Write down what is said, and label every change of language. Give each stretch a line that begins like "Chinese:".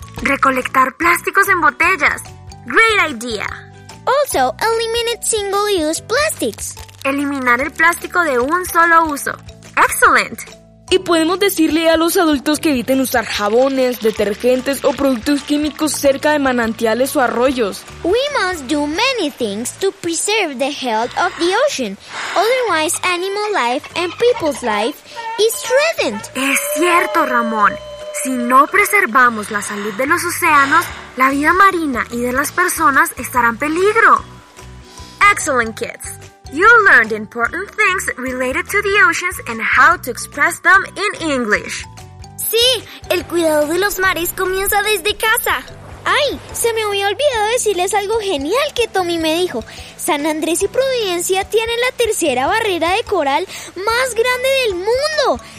Spanish: Recolectar plásticos en botellas.
English: Great idea. Also, eliminate single-use plastics.
Spanish: Eliminar el plástico de un solo uso. Excellent. Y podemos decirle a los adultos que eviten usar jabones, detergentes o productos químicos cerca de manantiales o arroyos.
English: We must do many things to preserve the health of the ocean. Otherwise, animal life and people's life is threatened.
Spanish: Es cierto, Ramón. Si no preservamos la salud de los océanos, la vida marina y de las personas estará en peligro.
English: Excellent, kids. You learned important things related to the oceans and how to express them in English.
Spanish: Sí, el cuidado de los mares comienza desde casa. Ay, se me había olvidado decirles algo genial que Tommy me dijo. San Andrés y Providencia tienen la tercera barrera de coral más grande del mundo.